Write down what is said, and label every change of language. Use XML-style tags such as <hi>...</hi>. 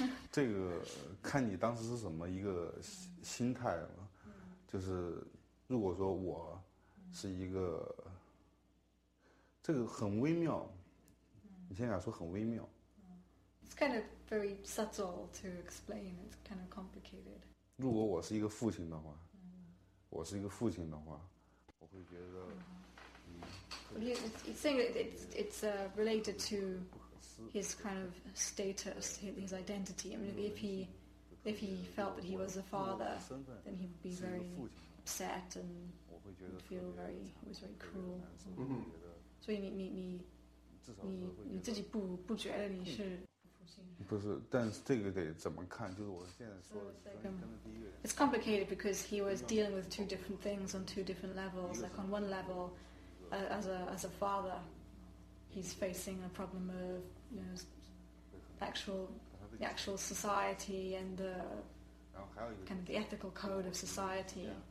<zh>这个看你当时是什么一个心态嘛，就是如果说我是一个，这个很微妙。你现在说很微妙。</zh> <en>It's kind of very subtle to explain. It's kind of complicated.</en> <zh>如果我是一个父亲的话，我是一个父亲的话，我会觉得。</zh> <en>He's saying that it's related to his kind of status, his identity. I mean, if he felt that he was a father, then he would be very upset and would feel very, he was very cruel. So you mean, you</en> <zh>自己不不觉得你是不是，但是这个得怎么看，就是我现在说的。</zh> <en>It's complicated because he was dealing with two different things on two different levels. Like on one level, as a father, he's facing a problem of, you know, the actual society and the kind of the ethical code of society.</en>